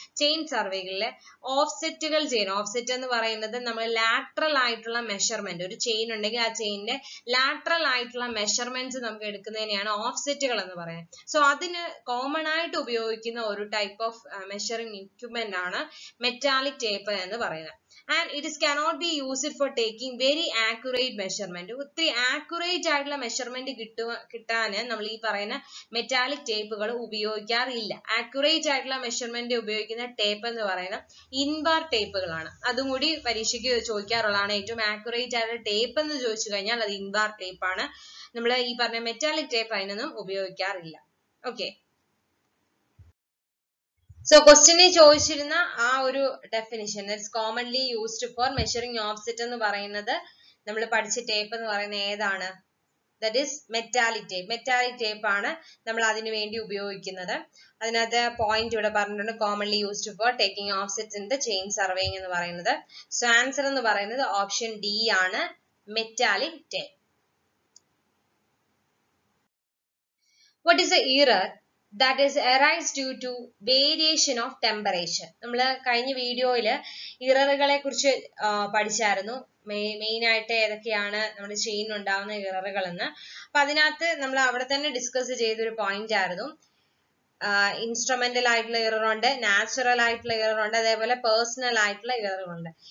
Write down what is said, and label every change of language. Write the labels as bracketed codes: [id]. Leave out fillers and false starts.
[ml] Chain സർവേകളിൽ ഓഫ്സെറ്റുകൾ ചെയ്യണം. Offset എന്ന് പറയുന്നത് നമ്മൾ ലാറ്ററൽ ആയിട്ടുള്ള മെഷർമെന്റ്, ഒരു ചെയിൻ ഉണ്ടെങ്കിൽ ആ ചെയിനിന്റെ ലാറ്ററൽ ആയിട്ടുള്ള മെഷർമെന്റ്സ് നമുക്ക് എടുക്കുന്നതിനെയാണ് ഓഫ്സെറ്റുകൾ എന്ന് പറയുന്നത്. സോ അതിന് കോമൺ ആയിട്ട് ഉപയോഗിക്കുന്ന ഒരു ടൈപ്പ് ഓഫ് മെഷറിംഗ് ഇക്വിപ്മെന്റ് ആണ് മെറ്റാലിക് ടേപ്പ് എന്ന് പറയുന്നത്. [en] And it is cannot be used for taking very accurate measurement. [ml] ഒത്തിരി ആക്യുറേറ്റ് ആയിട്ടുള്ള മെഷർമെന്റ് കിട്ടാന് നമ്മൾ ഈ പറയുന്ന മെറ്റാലിക് ടേപ്പുകൾ ഉപയോഗിക്കാറില്ല. ആക്യുറേറ്റ് ആയിട്ടുള്ള മെഷർമെന്റ് ഉപയോഗിക്കുന്ന ടേപ്പ് എന്ന് പറയുന്ന ഇൻബാർ ടേപ്പുകളാണ്. അതും കൂടി പരീക്ഷയ്ക്ക് ചോദിക്കാറുള്ളതാണ്, ഏറ്റവും ആക്യുറേറ്റ് ആയിട്ടുള്ള ടേപ്പ് എന്ന് ചോദിച്ചു കഴിഞ്ഞാൽ അത് ഇൻബാർ ടേപ്പാണ്. നമ്മൾ ഈ പറഞ്ഞ മെറ്റാലിക് ടേപ്പ് അതിനൊന്നും ഉപയോഗിക്കാറില്ല. ഓക്കെ, സോ ക്വസ്റ്റ്യനിൽ ചോദിച്ചിരുന്ന ആ ഒരു definition [en] it's commonly used for measuring offset [ml] എന്ന് പറയുന്നത് നമ്മൾ പഠിച്ച ടേപ്പ് എന്ന് പറയുന്നത് ഏതാണ്? [en] That is metallic tape. [ml] Metallic tape ആണ് നമ്മൾ അതിനു വേണ്ടി ഉപയോഗിക്കുന്നത്. അതിനകത്ത് പോയിന്റ് ഇവിടെ പറഞ്ഞിട്ടുണ്ട് [en] commonly used for taking offset in the chain surveying [ml] എന്ന് പറയുന്നത്. സോ ആൻസർ എന്ന് പറയുന്നത് ഓപ്ഷൻ ഡി ആണ്, metallic tape. [en] What is the error that is arise due to variation of temperature? [ml] നമ്മള് കഴിഞ്ഞ വീഡിയോയിൽ ഇററുകളെ കുറിച്ച് പഠിച്ചായിരുന്നു, മെയിൻ ആയിട്ട് ഏതൊക്കെയാണ് നമ്മുടെ ചെയിനിൽ ഉണ്ടാവുന്ന ഇററുകൾ എന്ന്. അപ്പൊ അതിനകത്ത് നമ്മൾ അവിടെ തന്നെ ഡിസ്കസ് ചെയ്തൊരു പോയിന്റ് ആയിരുന്നു, ഇൻസ്ട്രുമെന്റൽ ആയിട്ടുള്ള ഇറർ ഉണ്ട്, നാച്ചുറൽ ആയിട്ടുള്ള ഇറർ ഉണ്ട്, അതേപോലെ പേഴ്സണൽ ആയിട്ടുള്ള ഇററുകളുണ്ട്.